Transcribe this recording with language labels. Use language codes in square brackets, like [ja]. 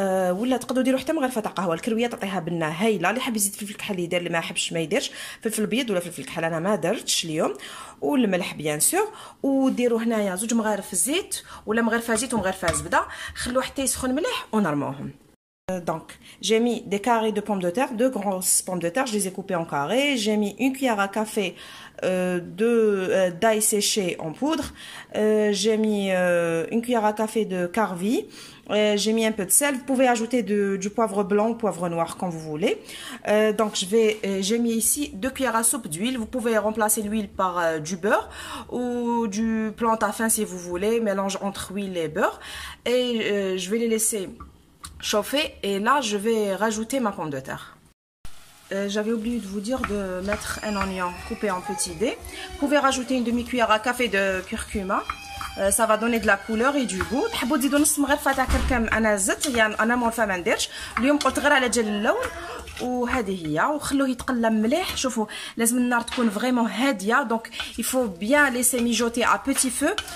[ar] ولا تقدروا ديروا حتى مغرفه تاع قهوه. الكرويه تعطيها بنه هايله، اللي حاب يزيد فلفل كحل يدير، اللي ما يحبش ما يديرش فلفل ابيض ولا فلفل كحل. انا ما درتش اليوم. والملح [fr] بيان سور، [ar] وديروا هنايا زوج مغارف زيت ولا مغرفه زيت ومغرفه زبده، خلوه حتى يسخن مليح ونرموهم. [fr] Donc, j'ai mis des carrés de pommes de terre, deux grosses pommes de terre, je les ai coupées en carrés. J'ai mis une cuillère à café d'ail séché en poudre. J'ai mis une cuillère à café de carvi. J'ai mis un peu de sel. Vous pouvez ajouter du poivre blanc ou poivre noir quand vous voulez. Donc, j'ai mis ici deux cuillères à soupe d'huile. Vous pouvez remplacer l'huile par du beurre ou du plantafin si vous voulez. Mélange entre huile et beurre. Et je vais les laisser chauffer et là je vais rajouter ma pomme de terre. J'avais oublié de vous dire de mettre un oignon coupé en petits dés. Vous pouvez rajouter une demi cuillère à café de curcuma. Ça va donner de la couleur et du goût. [ar] تحبوا تزيدوا نص مغرفه تاع كركم. انا زدت يعني انا مورفه ما نديرش اليوم، قلت غير على جال اللون. وهذه هي، وخلوه يتقلم مليح. شوفوا لازم النار تكون [fr] فريمون [ar] هاديه، [fr] دونك يفو بيان ليسي ميجوتي ا بيتي فو.